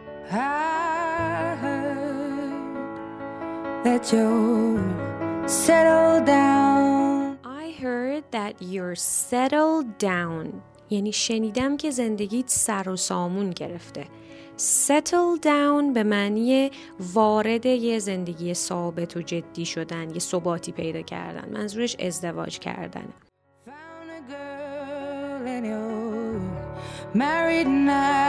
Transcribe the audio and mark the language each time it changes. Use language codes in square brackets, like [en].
[en] I heard that you're settled down. I heard that you're settled down. [fa] یعنی شنیدم که زندگیت سر و سامون گرفته. [en] Settle down [fa] به معنی وارد یه زندگی ثابت و جدی شدن، یه ثباتی پیدا کردن. منظورش ازدواج کردن. [en] Found a girl and you're married now.